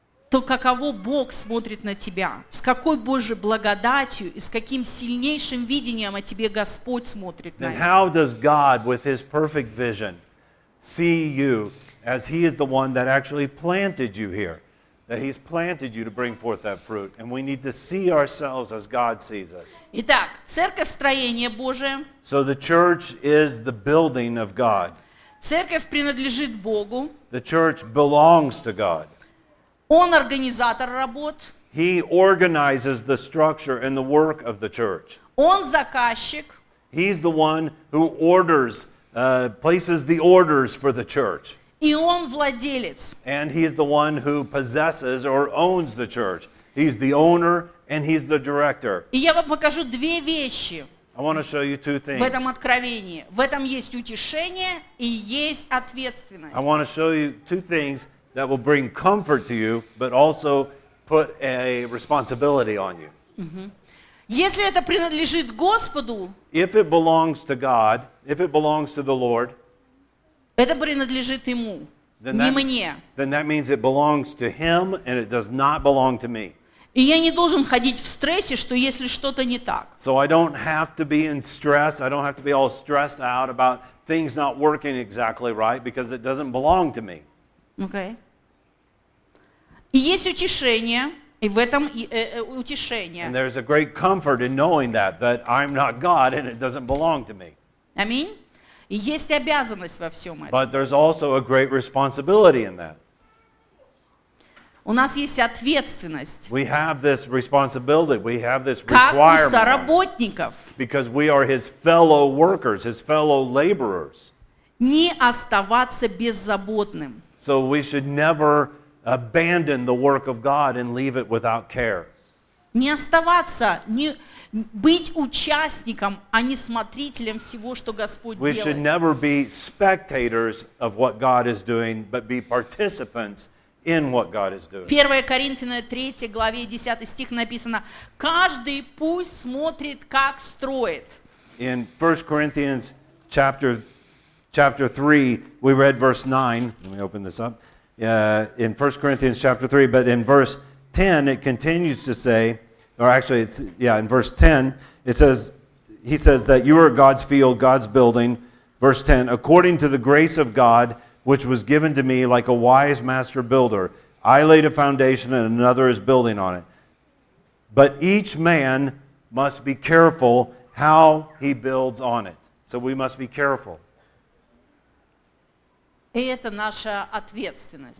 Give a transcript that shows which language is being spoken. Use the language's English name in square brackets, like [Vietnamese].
[Russian] То каково Бог смотрит на тебя? С какой Божьей благодатью и с каким сильнейшим видением о тебе Господь смотрит на тебя? [English] Then how does God with his perfect vision see you as he is the one that actually planted you here, that he's planted you to bring forth that fruit, and we need to see ourselves as God sees us. [Russian] Итак, церковь строение Божие. [English] So the church is the building of God. [Russian] Церковь принадлежит Богу. [English] The church belongs to God. [Russian] Он организатор работ. [English] He organizes the structure and the work of the church. [Russian] Он заказчик. [English] He's the one who orders places the orders for the church. [Russian] И он владелец. [English] And he is the one who possesses or owns the church. He's the owner and he's the director. [Russian] И я вам покажу две вещи. [English] I want to show you two things. [Russian] В этом откровении. В этом есть утешение и есть ответственность. [English] I want to show you two things that will bring comfort to you, but also put a responsibility on you. [Russian] Если это принадлежит Господу, [English] if it belongs to God, if it belongs to the Lord, [Russian] это принадлежит ему, не мне. [English] Then that means it belongs to him and it does not belong to me. [Russian] И я не должен ходить в стрессе, что если что-то не так. [English] So I don't have to be in stress, I don't have to be all stressed out about things not working exactly right because it doesn't belong to me. [Russian] Okay. И есть утешение. И в этом утешение. [English] And there's a great comfort in knowing that, that I'm not God and it doesn't belong to me. [Russian] Аминь. И есть обязанность во всем этом. [English] But there's also a great responsibility in that. [Russian] У нас есть ответственность. [English] We have this responsibility. We have this [Russian] как [English] requirement. [Russian] Как у соработников. [English] Because we are his fellow workers, his fellow laborers. [Russian] Не оставаться беззаботным. [English] So we should never abandon the work of God and leave it without care. [Russian] Не оставаться, не быть участником, а не смотрителем всего, что Господь делает. [English] We should never be spectators of what God is doing, but be participants in what God is doing. [Russian] 1 Коринфянам 3 главе 10 стих написано, каждый пусть смотрит, как строит. [English] In 1 Corinthians chapter 3, we read verse 9. Let me open this up. In 1 Corinthians chapter 3, but in verse 10, it continues to say, or actually, it's in verse 10, it says, he says that you are God's field, God's building. Verse 10, according to the grace of God, which was given to me like a wise master builder, I laid a foundation and another is building on it. But each man must be careful how he builds on it. So we must be careful. [Russian] И это наша ответственность.